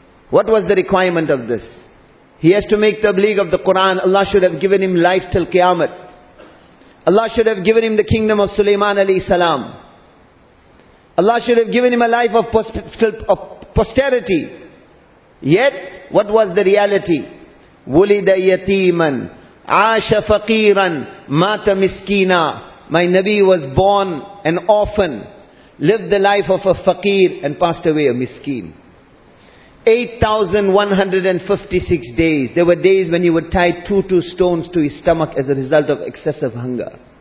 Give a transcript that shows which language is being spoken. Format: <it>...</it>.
<en>What was the requirement of this? He has to make tabligh of the Quran. Allah should have given him life till Qiyamah. Allah should have given him the kingdom of Sulaiman alayhi salam. Allah should have given him a life of posterity. Yet, what was the reality?</en> <ar>وُلِدَ يَتِيمًا عَاشَ فَقِيرًا مَاتَ مِسْكِينًا.</ar> <en>My Nabi was born an orphan, lived the life of a faqir and passed away a miskeen. 8,156 days. There were days when he would tie two stones to his stomach as a result of excessive hunger.</en>